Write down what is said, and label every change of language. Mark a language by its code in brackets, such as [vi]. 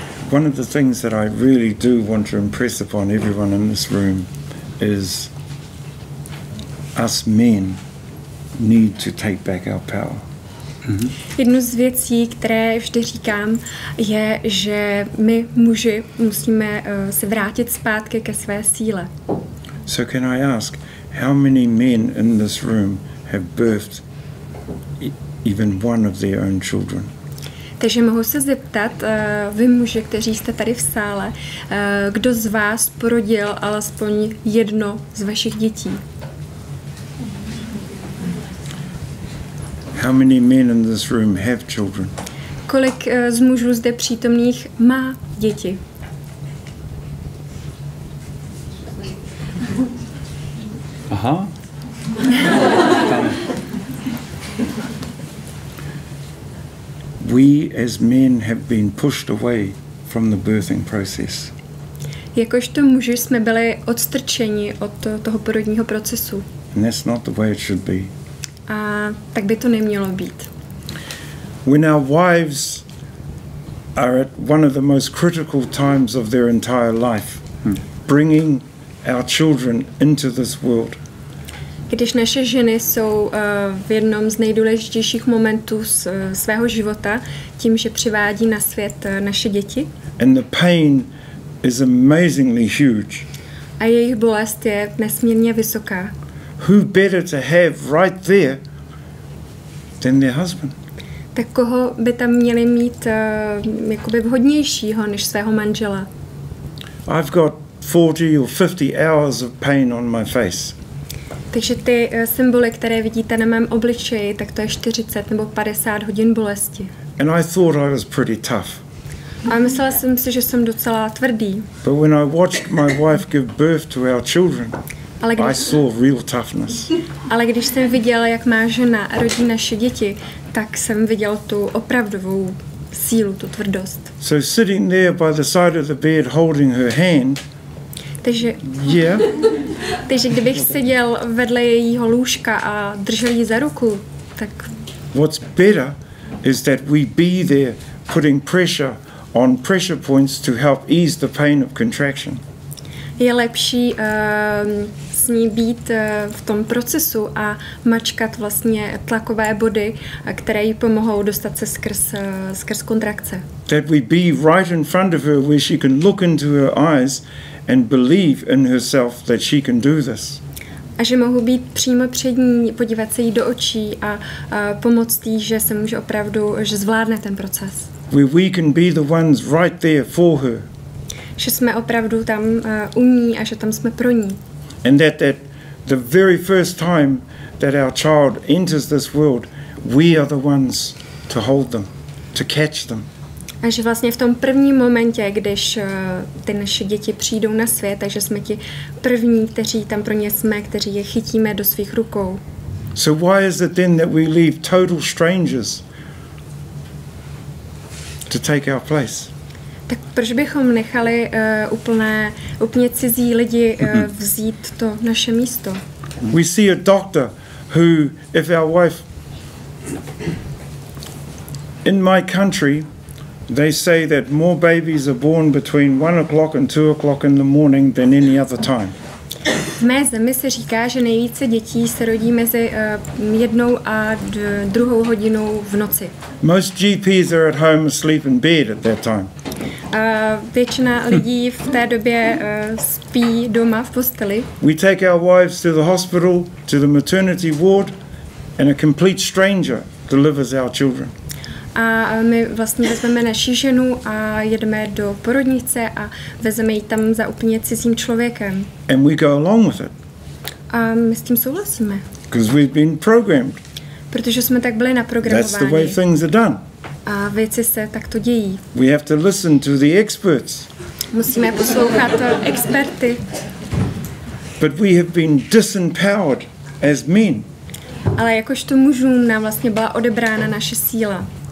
[en] One of the things that I really do want to impress upon everyone in this room is us men need to take back our power. Mm-hmm. [cs] Jednu z věcí, které vždy říkám, je, že my muži musíme se vrátit zpátky ke své síle. [en] So can I ask, how many men in this room have birthed even one of their own children? [cs] Takže mohu se zeptat, vy muži, kteří jste tady v sále, kdo z vás porodil alespoň jedno z vašich dětí? [en] How many men in this room have children? [cs] Kolik z mužů zde přítomných má děti? Aha. [en] We as men have been pushed away from the birthing process. [cs] Jakožto muži jsme byli odstrčeni od toho porodního procesu. [en] And that's not the way it should be. [cs] A tak by to nemělo být. [en] When our wives are at one of the most critical times of their entire life, bringing our children into this world. [cs] Když naše ženy jsou v jednom z nejdůležitějších momentů svého života, tím, že přivádí na svět naše děti. [en] And the pain is amazingly huge. [cs] A jejich bolest je nesmírně vysoká. [en] Who better to have right there than their husband? [cs] Tak koho by tam měli mít jakoby vhodnějšího než svého manžela? [en] I've got 40 or 50 hours of pain on my face. [cs] Takže ty symboly, které vidíte na mém obličeji, tak to je 40 nebo 50 hodin bolesti. [en] And I thought I was pretty tough. [cs] A myslela jsem si, že jsem docela tvrdý. [en] But when I watched my wife give birth to our children, I saw real toughness. [cs] Ale když jsem viděl, jak má žena rodí naše děti, tak jsem viděl tu opravdovou sílu, tu tvrdost. [en] So sitting there by the side of the bed holding her hand. [cs] Takže, [en] yeah. [cs] Takže kdybych seděl vedle jejího lůžka a držel ji za ruku, tak [en] what's better is that we be there putting pressure on pressure points to help ease the pain of contraction. [cs] Je lepší s ní být v tom procesu a mačkat vlastně tlakové body, které jí pomohou dostat se skrz kontrakce. [en] That we be right in front of her where she can look into her eyes and believe in herself that she can do this. [cs] A že mohu být přímo před ní, podívat se jí do očí a pomoct jí, že se může opravdu, že zvládne ten proces. [en] Where we can be the ones right there for her. [cs] Že jsme opravdu tam u ní a že tam jsme pro ní. [en] And that the very first time that our child enters this world, we are the ones to hold them, to catch them. [cs] A že vlastně v tom prvním momentě, když ty naše děti přijdou na svět, takže jsme ti první, kteří tam pro ně jsme, kteří je chytíme do svých rukou. [en] So why is it then that we leave total strangers to take our place? [cs] Tak proč bychom nechali úplně cizí lidi vzít to naše místo? [en] We see a doctor who, if our wife in my country, they say that more babies are born between 1 o'clock and 2 o'clock in the morning than any other time. [cs] V mé zemi se říká, že nejvíce dětí se rodí mezi jednou a druhou hodinou v noci. [en] Most GPs are at home asleep in bed at that time. [cs] Většina lidí v té době spí doma v posteli. [en] We take our wives to the hospital, to the maternity ward, and a complete stranger delivers our children. [cs] A my vlastně vezmeme naši ženu a jedeme do porodnice a vezeme ji tam za úplně cizím člověkem. [en] And we go along with it. [cs] A my s tím souhlasíme. [en] Because we've been programmed. [cs] Protože jsme tak byli naprogramováni. [en] That's the way things are done. [cs] A věci se takto dějí. [en] We have to listen to the experts. [cs] Musíme poslouchat experty. [en] But we have been disempowered as men. [cs] Ale jakožto mužům nám vlastně byla odebrána naše síla.